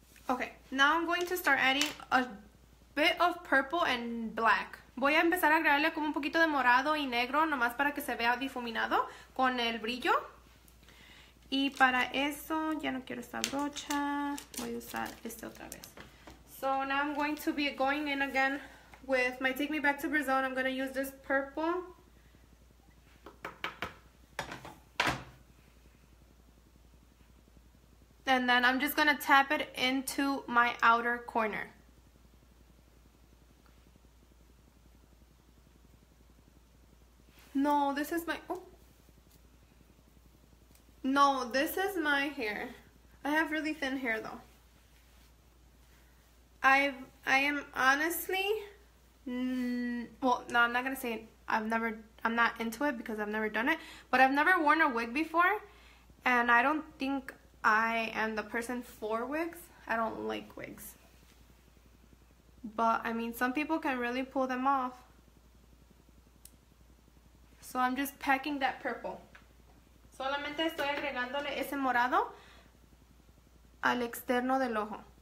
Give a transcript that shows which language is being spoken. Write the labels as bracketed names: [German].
[English] Okay, now I'm going to start adding a bit of purple and black. [Spanish] Voy a empezar a agregarle como un poquito de morado y negro, nomás para que se vea difuminado con el brillo. Y para eso, ya no quiero esta brocha, voy a usar este otra vez. [English] So now I'm going to be going in again with my Take Me Back to Brazil, and I'm going to use this purple. And then I'm just going to tap it into my outer corner. No, this is my... Oh. No, this is my hair. I have really thin hair, though. I am honestly... I'm not going to say it. I'm not into it because I've never done it. But I've never worn a wig before. And I don't think I am the person for wigs. I don't like wigs. But, I mean, some people can really pull them off. So I'm just packing that purple. [Spanish] Solamente estoy agregándole ese morado al externo del ojo.